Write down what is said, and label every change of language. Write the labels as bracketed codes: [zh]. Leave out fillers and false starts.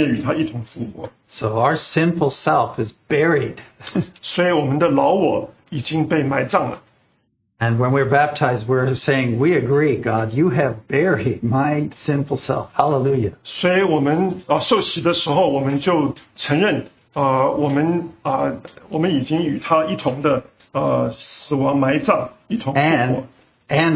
[zh] 所以你在也许在受洗班里头，你有听到从罗马书，还有在哥罗西书这里，我们讲到，当你与他一同，你等于在他的死里头，你也与他一同复活。 [en] So our sinful self is buried. [zh] 所以我们的老我已经被埋葬了。 [en] And when we're baptized, we're saying, we agree, God, you have buried my sinful self. Hallelujah. [zh] 所以我们受洗的时候，我们就承认，我们已经与他一同的死亡埋葬，一同复活。 [en] And,